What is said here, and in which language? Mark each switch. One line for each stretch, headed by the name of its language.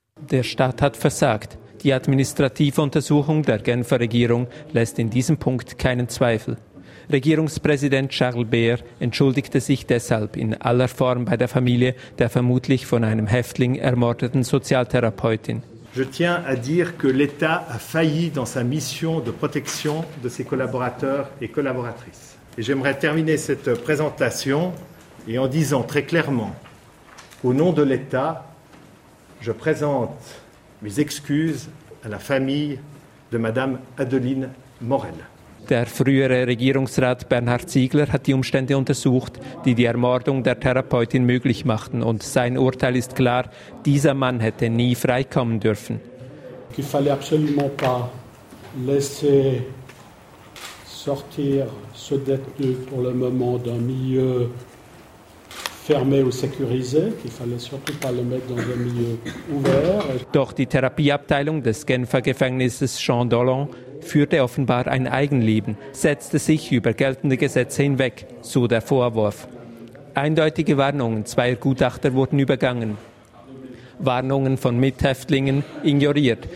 German: Der Staat hat versagt. Die administrative Untersuchung der Genfer Regierung lässt in diesem Punkt keinen Zweifel. Regierungspräsident Charles Bär entschuldigte sich deshalb in aller Form bei der Familie der vermutlich von einem Häftling ermordeten Sozialtherapeutin.
French: Je tiens à dire que l'État a failli dans sa mission de protection de ses collaborateurs et collaboratrices. Et j'aimerais terminer cette présentation et en disant très clairement, au nom de l'État, je présente mes excuses à la famille de Madame Adeline Morel.
German: Der frühere Regierungsrat Bernhard Ziegler hat die Umstände untersucht, die die Ermordung der Therapeutin möglich machten. Und sein Urteil ist klar, dieser Mann hätte nie freikommen dürfen.
French: Qu'il fallait absolument pas laisser sortir ce détenu pour le moment d'un milieu fermé ou sécurisé, qu'il fallait surtout pas le mettre dans un milieu ouvert.
German: Doch die Therapieabteilung des Genfer Gefängnisses Jean Dollon führte offenbar ein Eigenleben, setzte sich über geltende Gesetze hinweg, so der Vorwurf. Eindeutige Warnungen zweier Gutachter wurden übergangen. Warnungen von Mithäftlingen ignoriert.